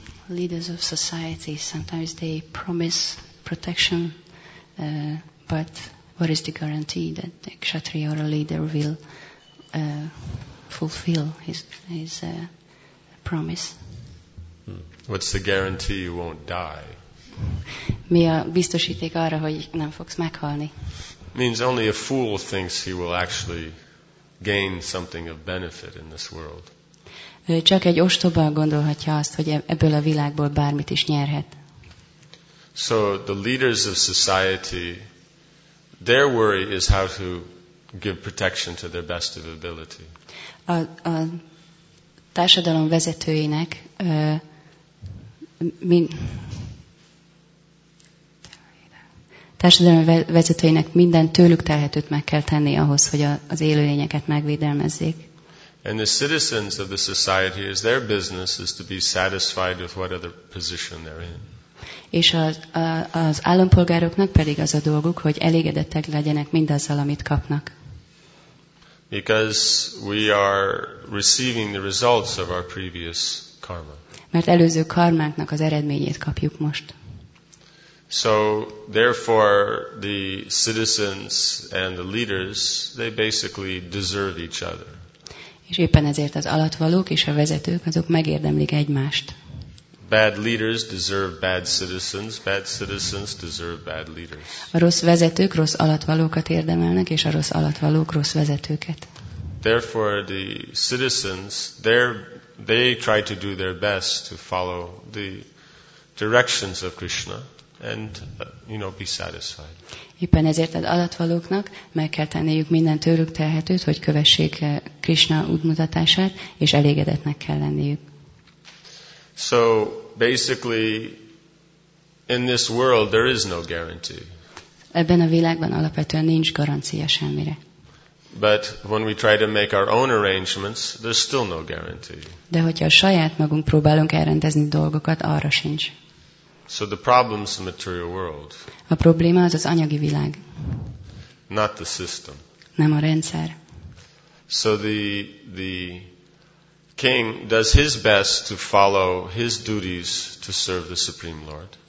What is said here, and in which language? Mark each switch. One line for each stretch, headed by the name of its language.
English: Leaders of society, sometimes they promise protection, but what is the guarantee that the kshatriya or a leader will fulfill his promise? What's the guarantee you won't die?
Hungarian: Mi a biztosíték arra, hogy nem fogsz meghalni?
English: Means only a fool thinks he will actually gain something of benefit in this world.
Hungarian: Csak egy ostoba gondolhatja azt, hogy ebből a világból bármit is nyerhet.
English: So the leaders of society, their worry is how to give protection to their best of ability.
Hungarian: A társadalom vezetőinek minden tőlük telhetőt meg kell tenni ahhoz, hogy az élőlényeket megvédelmezzék.
English: And the citizens of the society is their business is to be satisfied with whatever position they're in.
Hungarian: És az állampolgároknak pedig az a dolguk, hogy elégedettek legyenek mindazzal, amit kapnak.
English: Because we are receiving the results of our previous karma.
Hungarian: Mert előző karmánknak az eredményét kapjuk most.
English: So therefore the citizens and the leaders, they basically deserve each other.
Hungarian: És éppen ezért az alattvalók és a vezetők, azok megérdemlik egymást.
English: Bad leaders deserve bad citizens. Bad citizens deserve bad leaders.
Hungarian: A rossz vezetők rossz alattvalókat érdemelnek, és a rossz alattvalók rossz vezetőket.
English: Therefore the citizens, they try to do their best to follow the directions of Krishna and be satisfied.
Hungarian: Éppen ezért az alattvalóknak meg kell tenniük minden tőlük telhetőt, hogy kövessék Krishna útmutatását, és elégedetnek kell lenniük.
English: So basically in this world there is no guarantee.
Hungarian: Ebben a világban alapvetően nincs garancia semmire.
English: But when we try to make our own arrangements, there's still no guarantee.
Hungarian: De hogyha a saját magunk próbálunk elrendezni dolgokat, arra sincs.
English: So the problem is the material world.
Hungarian: A probléma az anyagi világ.
English: Not the system.
Hungarian: Nem a rendszer.
English: So the king does his best to follow his duties to serve the Supreme Lord.